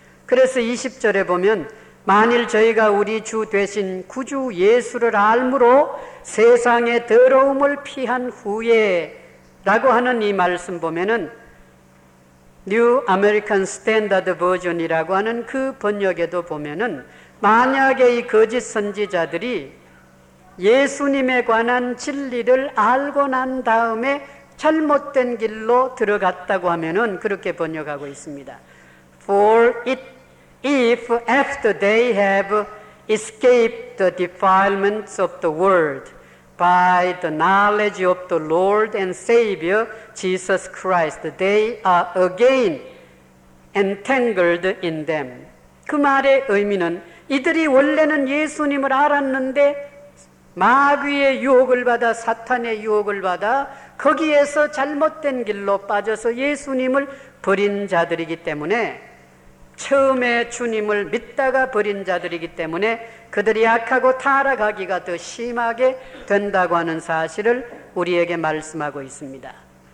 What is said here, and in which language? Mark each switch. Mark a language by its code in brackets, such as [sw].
[ko] 그래서 20절에 보면 만일 저희가 우리 주 되신 구주 예수를 알므로 세상의 더러움을 피한 후에 라고 하는 이 말씀 보면은 New American Standard Version이라고 하는 그 번역에도 보면은 만약에 이 거짓 선지자들이 예수님에 관한 진리를 알고 난 다음에 잘못된 길로 들어갔다고 하면은 그렇게 번역하고 있습니다. [en] For it if after they have escaped the defilements of the world by the knowledge of the Lord and Savior Jesus Christ, they are again entangled in them. [ko] 그 말의 의미는 이들이 원래는 예수님을 알았는데 마귀의 유혹을 받아, 사탄의 유혹을 받아 거기에서 잘못된 길로 빠져서 예수님을 버린 자들이기 때문에, 처음에 주님을 믿다가 버린 자들이기 때문에 그들이 악하고 타락하기가 더 심하게 된다고 하는 사실을 우리에게 말씀하고 있습니다.